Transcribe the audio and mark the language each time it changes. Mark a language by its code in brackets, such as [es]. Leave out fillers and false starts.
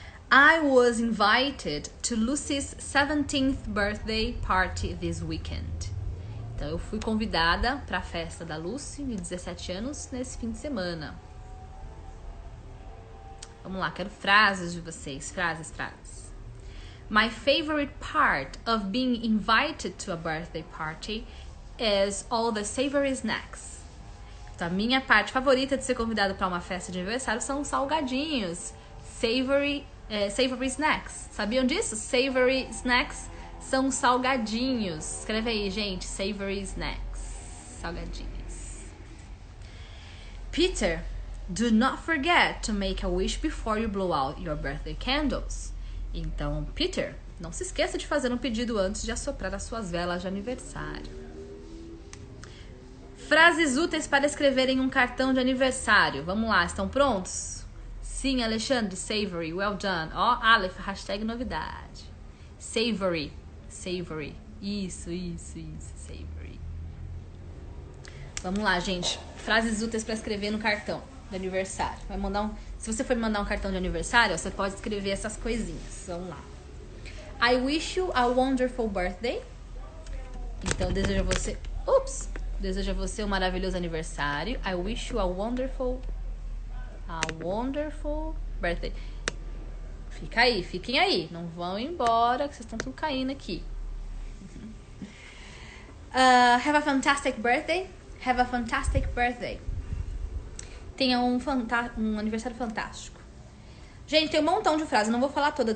[en] I was invited to Lucy's 17th birthday party this weekend. [pt] Então, eu fui convidada para a festa da Lucy, de 17 anos, nesse fim de semana. Vamos lá, quero frases de vocês. Frases, frases. [en] My favorite part of being invited to a birthday party is all the savory snacks. [pt] Então, a minha parte favorita de ser convidada para uma festa de aniversário são salgadinhos. [en] Savory snacks. [pt] Sabiam disso? [en] Savory snacks. [pt] São salgadinhos. Escreve aí, gente. [en] Savory snacks. [pt] Salgadinhos. [en] Peter, do not forget to make a wish before you blow out your birthday candles. [pt] Então, Peter, não se esqueça de fazer um pedido antes de assoprar as suas velas de aniversário. Frases úteis para escrever em um cartão de aniversário. Vamos lá, estão prontos? Sim, Alexandre. Savory. [en] Well done. [pt] Ó, Aleph, hashtag novidade. Savory. Savory. Isso. Savory. Vamos lá, gente. Frases úteis para escrever no cartão de aniversário. Vai mandar um... Se você for mandar um cartão de aniversário, você pode escrever essas coisinhas. Vamos lá. [en] I wish you a wonderful birthday. [pt] Então, desejo a você. Ups! Desejo a você um maravilhoso aniversário. [en] I wish you a wonderful. A wonderful birthday. [pt] Fica aí, fiquem aí. Não vão embora, que vocês estão tudo caindo aqui. [en] Have a fantastic birthday. Have a fantastic birthday. [pt] Tenha um aniversário fantástico. Gente, tem um montão de frases, não vou falar todas.